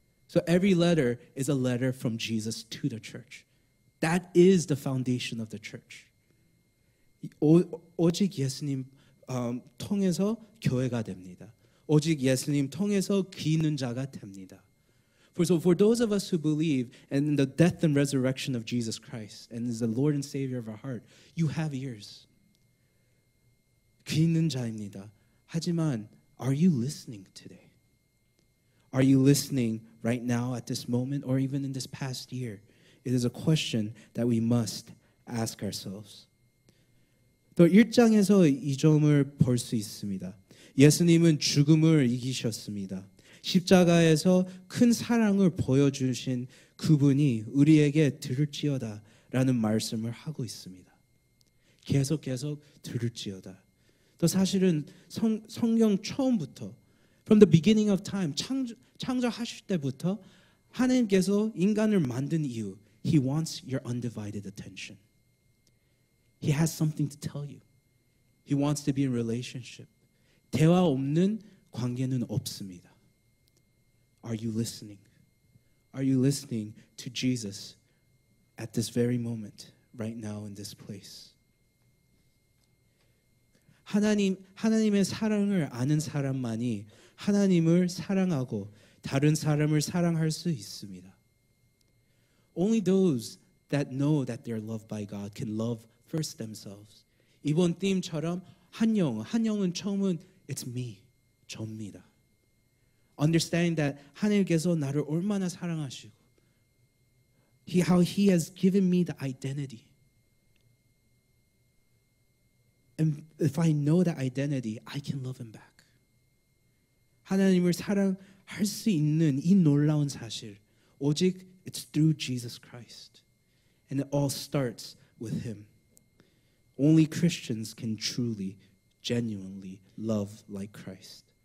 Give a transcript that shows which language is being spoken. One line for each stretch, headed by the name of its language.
English: So every letter is a letter from Jesus to the church. That is the foundation of the church.
Korean: 오직 예수님 통해서 교회가 됩니다. 오직 예수님 통해서 귀 있는 자가 됩니다.
English: So for those of us who believe in the death and resurrection of Jesus Christ and is the Lord and Savior of our heart, you have ears.
Korean: 귀 있는 자입니다. 하지만
English: are you listening today? Are you listening right now at this moment or even in this past year? It is a question that we must ask ourselves.
Korean: 또 1장에서 이 점을 볼 수 있습니다. 예수님은 죽음을 이기셨습니다. 십자가에서 큰 사랑을 보여주신 그분이 우리에게 들을지어다 라는 말씀을 하고 있습니다. 계속 들을지어다. 또 사실은 성경 처음부터
English: From the beginning of time,
Korean: 창조하실 때부터 하나님께서 인간을 만든 이유,
English: He wants your undivided attention. He has something to tell you. He wants to be in relationship.
Korean: 대화 없는 관계는 없습니다.
English: Are you listening? Are you listening to Jesus at this very moment, right now in this place?
Korean: 하나님의 사랑을 아는 사람만이 하나님을 사랑하고 다른 사람을 사랑할 수 있습니다.
English: Only those that know that they are loved by God can love first themselves.
Korean: 이번 theme처럼 한영은 처음은
English: it's me,
Korean: 저입니다.
English: Understanding that
Korean: 하나님께서 나를 얼마나 사랑하시고
English: how he has given me the identity. And if I know that identity, I can love him back.
Korean: 하나님을 사랑할 수 있는 이 놀라운 사실, 오직
English: It's through Jesus Christ. And it all starts with him. Only Christians can truly, genuinely love like Christ.